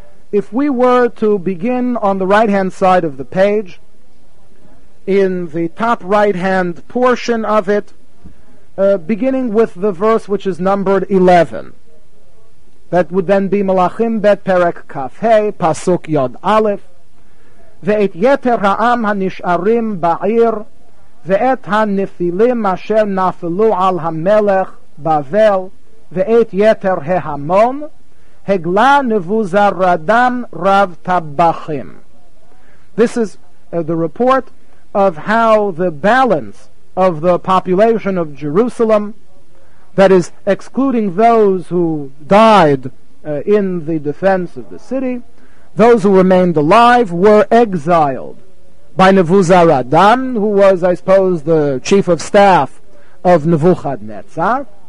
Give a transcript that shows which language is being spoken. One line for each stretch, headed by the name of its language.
English: If we were to begin on the right-hand side of the page, in the top right-hand portion of it, beginning with the verse which is numbered 11, that would then be Melachim Bet Perek Kaf Hei, Pasuk Yod Aleph,
Hebrew: Ve'et Yeter Ha'am Hanish'arim Ba'ir, ואת הנפילים אשר נפלו על המלך בבל ואת יתר ההמון הגלה נבוזרדן רב טבחים.
English: This is the report of how the balance of the population of Jerusalem, that is excluding those who died in the defense of the city, those who remained alive were exiled by Nebuzaradan, who was, I suppose, the chief of staff of Nebuchadnezzar.